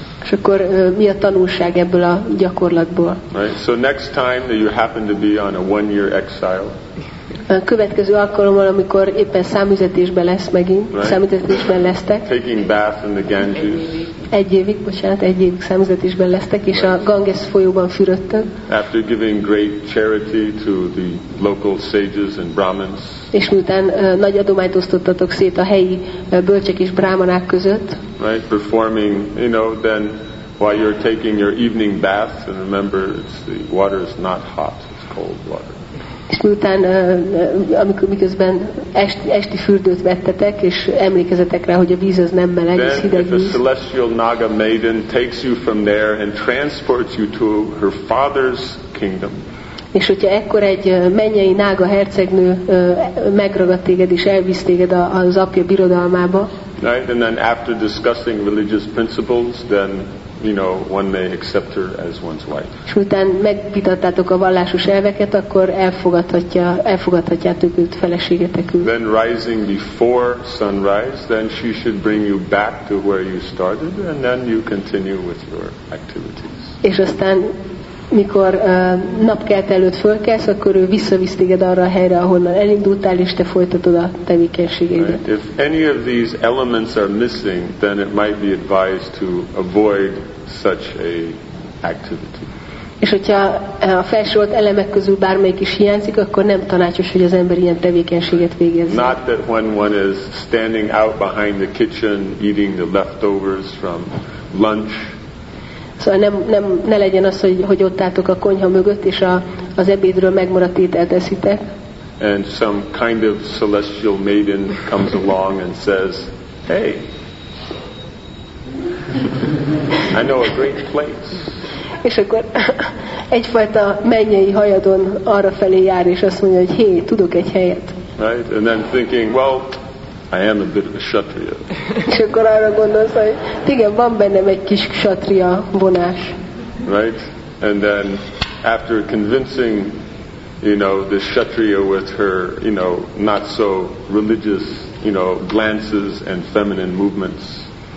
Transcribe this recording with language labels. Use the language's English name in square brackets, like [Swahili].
[Hungarian] És akkor mi a tanulság ebből a gyakorlatból? [English] Right. So next time that you happen to be on a one-year exile. [Hungarian] A következő alkalommal, amikor éppen számüzetésben lesz megint, right. Számüzetésben lesztek. [English] Taking bath in the Ganges. [Hungarian] Egy évig számüzetésben lesztek, és a Ganges folyóban fürödtek. [English] After giving great charity to the local sages and brahmins. [Hungarian] És miután nagy adományt osztottatok szét a helyi bölcsek és brámanák között. [English] Right, performing, you know, then while you're taking your evening bath, and remember, the water is not hot, it's cold water. [Hungarian] És miután, amikor miközben esti fürdőt vettetek, és emlékezetek rá, hogy a víz az nem meleg, és hideg víz. [English] Then if a celestial Naga maiden takes you from there and transports you to her father's kingdom. [Hungarian] És hogyha ekkor egy mennyei Naga hercegnő megragad téged, és elvisz téged az apja birodalmába. [English] Right, and then after discussing religious principles, then you know, one may accept her as one's wife. [Hungarian] És miután megvitattátok a vallásos elveket, akkor elfogadhatjátok őt feleségetekül. [English] Then rising before sunrise, then she should bring you back to where you started, and then you continue with your activities. [Hungarian] És aztán, mikor napkelt előtt fölkelsz, akkor ő visszavisz téged arra a helyre, ahonnan elindultál, és te folytatod a tevékenységedet. [English] Right. If any of these elements are missing, then it might be advised to avoid such a activity. [Hungarian] És hogyha a felsorolt elemek közül bármelyik is hiányzik, akkor nem tanácsos, hogy az ember ilyen tevékenységet végezze. [English] Not that when one is standing out behind the kitchen eating the leftovers from lunch. [Hungarian] Szóval ne legyen az, hogy ott álltok a konyha mögött, és az ebédről megmaradt ételt eszitek. [English] And some kind of celestial maiden comes along and says, hey, I know a great place. [Hungarian] És akkor egyfajta mennyei hajadon arrafelé jár, és azt mondja, hogy hé, tudok egy helyet. [English] Right, and then thinking, well, I am a bit of a kshatriya. [Hungarian] És akkor arra gondolsz, hogy igen, van bennem egy kis kshatriya vonás. [English] Right? And then after convincing, you know, the kshatriya with her, you know, not so religious, you know, glances and feminine movements.